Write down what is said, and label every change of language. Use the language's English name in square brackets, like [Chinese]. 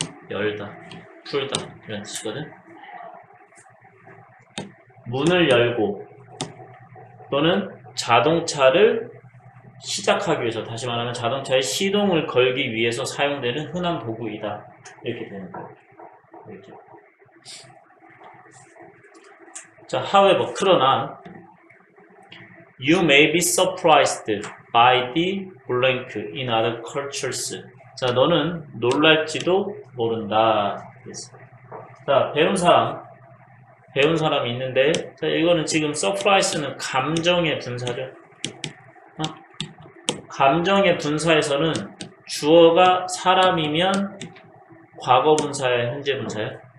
[Korean] 열다, 풀다 이런 뜻이거든. 문을 열고 또는 자동차를 시작하기 위해서, 다시 말하면 자동차의 시동을 걸기 위해서 사용되는 흔한 도구이다 이렇게 되는 거예요. [English] 자, however, [Korean] 그러나 [English] you may be surprised by the blank in other cultures. [Korean] 자, 너는 놀랄지도 모른다. 자, 배운 사람, 배운 사람이 있는데, 자, 이거는 지금 surprise는 감정의 분사죠. 감정의 분사에서는 주어가 사람이면 과거분사야 현재분사야?